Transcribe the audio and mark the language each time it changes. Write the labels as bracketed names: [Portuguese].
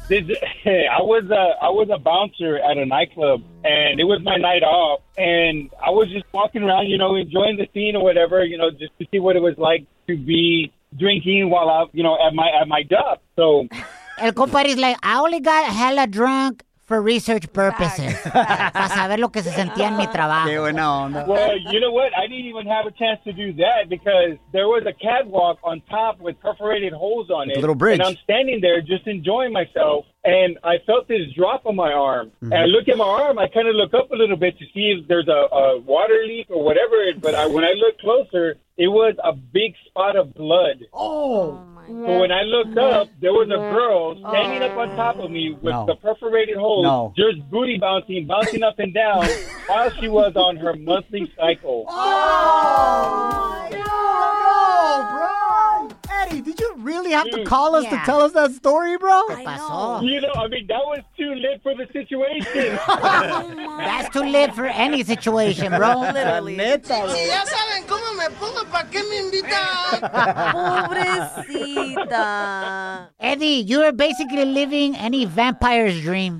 [English] I was a bouncer at a nightclub, and it was my night off. And I was just walking around, you know, enjoying the scene or whatever, you know, just to see what it was like to be drinking while out, you know, at my dub. So, [Spanish] el compadre's [English] like, I only got hella drunk for research purposes. [Spanish] Para saber lo que se sentía en mi trabajo. Qué buena onda. [English] Well, you know what? I didn't even have a chance to do that because there was a catwalk on top with perforated holes on it. A little bridge. And I'm standing there just enjoying myself. And I felt this drop on my arm. Mm-hmm. And I look at my arm. I kind of look up a little bit to see if there's a water leak or whatever. But when I look closer, it was a big spot of blood. Oh, so when I looked up, there was a girl standing up on top of me with the perforated hole, just booty bouncing up and down while she was on her monthly cycle. Oh, no, bro. Eddie, did you really have to call us to tell us that story, bro? That was too lit for the situation. That's too lit for any situation, bro. Literally. [Spanish] Ya saben cómo me pongo, ¿para qué me invitan? Pobrecita. [English] Eddie, you are basically living any vampire's dream.